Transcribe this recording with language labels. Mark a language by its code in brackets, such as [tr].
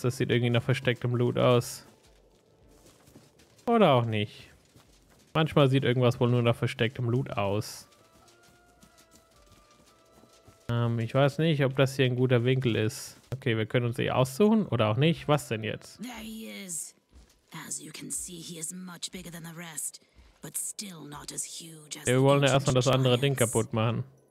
[de] Das sieht irgendwie nach verstecktem Loot aus. Oder auch nicht. Manchmal sieht irgendwas wohl nur nach verstecktem Loot aus. Ich weiß nicht, ob das hier ein guter Winkel ist. Okay, wir können uns hier aussuchen oder auch nicht. Was denn jetzt? [en] There he is. As you can see, he is much bigger than the rest, but still not as huge as the. [de] Wir wollen ja erstmal das andere Ding kaputt machen.